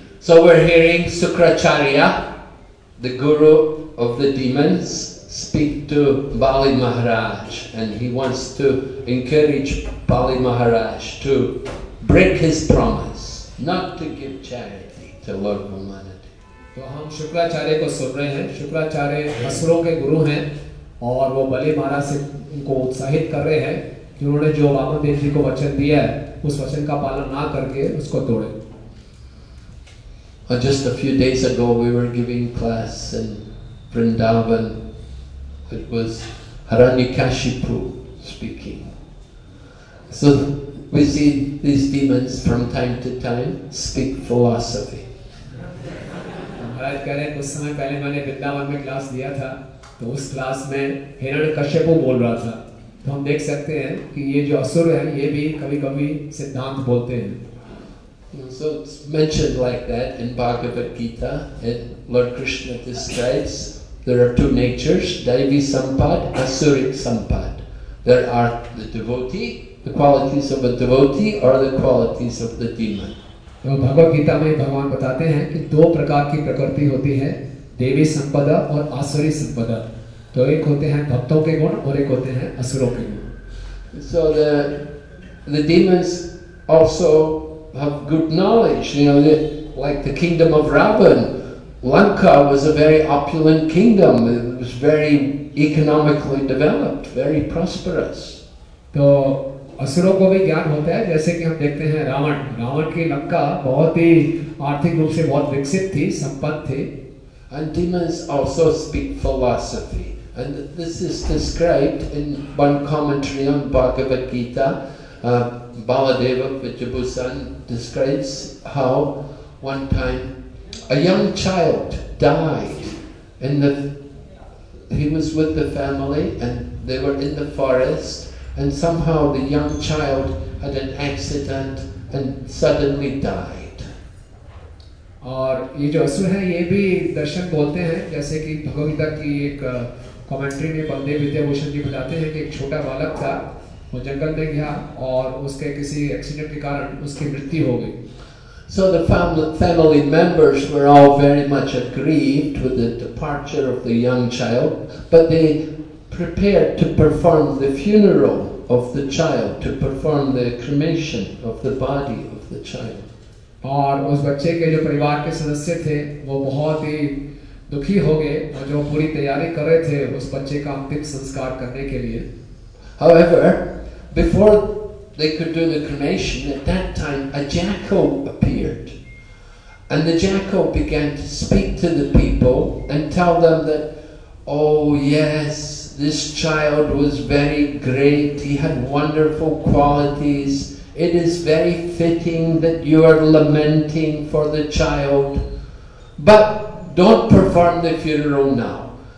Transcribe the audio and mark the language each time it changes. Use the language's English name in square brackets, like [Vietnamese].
[English] So we're hearing Sukracharya, the guru of the demons, speak to Bali Maharaj, and he wants to encourage Bali Maharaj to break his promise not to give charity. [Hindi] तो हम शुक्राचार्य को सुन रहे हैं। शुक्राचार्य हसरों के गुरु हैं और वो बलि महाराज से उनको उत्साहित कर रहे हैं कि उन्होंने जो वामन देव जी को वचन दिया है उस वचन का पालन ना करके उसको तोड़े। [English] And just a few days ago we were giving class in Vrindavan. It was Haranyakashipu speaking. So we see these demons from time to time speak philosophy. [Hindi] कह रहे हैं कुछ समय पहले मैंने वृंदावन में क्लास दिया था, तो उस क्लास में हिरण्यकश्यप बोल रहा था, तो हम देख सकते हैं कि ये जो असुर है ये भी कभी कभी सिद्धांत बोलते हैं। [English] So it's mentioned like that in Bhagavad Gita, and Lord Krishna describes there are two natures, Daivi Sampad, Asuric Sampad. There are the devotee, the qualities of a devotee, or the qualities of the demon. [Hindi] तो भगवद गीता में भगवान बताते हैं कि दो प्रकार की प्रकृति होती है, देवी संपदा और आसुरी संपदा। तो एक होते हैं भक्तों के गुण और एक होते हैं असुरों के गुण। [English] So the demons also have good knowledge. You know, like the kingdom of Ravan, Lanka was a very opulent kingdom. It was very economically developed, very prosperous. [Hindi] तो असुरों को भी ज्ञान होता है, जैसे कि हम देखते हैं रावण, रावण की लंका बहुत ही आर्थिक रूप से बहुत विकसित थी, संपन्न थे। [English] And demons also speak philosophy, and this is described in one commentary on Bhagavad Gita. Baladeva Vijayabhusan describes how one time, a young child died, and he was with the family, and they were in the forest, and somehow the young child had an accident and suddenly died. [Hindi] और ये जो असुर हैं ये भी दर्शन बोलते हैं जैसे कि भगवद् गीता की एक कमेंट्री में पंडित विद्याभूषण जी बताते हैं कि एक छोटा बालक था वो जंगल में गया और उसके किसी एक्सीडेंट के कारण उसकी मृत्यु हो गई. [English] So the family members were all very much aggrieved with the departure of the young child, but they prepared to perform the funeral of the child, to perform the cremation of the body of the child. [Hindi] और उस बच्चे के जो परिवार के सदस्य थे वो बहुत ही दुखी हो गए और जो पूरी तैयारी कर रहे थे उस बच्चे का अंतिम संस्कार करने के लिए. [English] However, before they could do the cremation, at that time a jackal appeared. And the jackal began to speak to the people and tell them that, oh yes, this child was very great, he had wonderful qualities, it is very fitting that you are lamenting for the child, but don't perform the funeral now.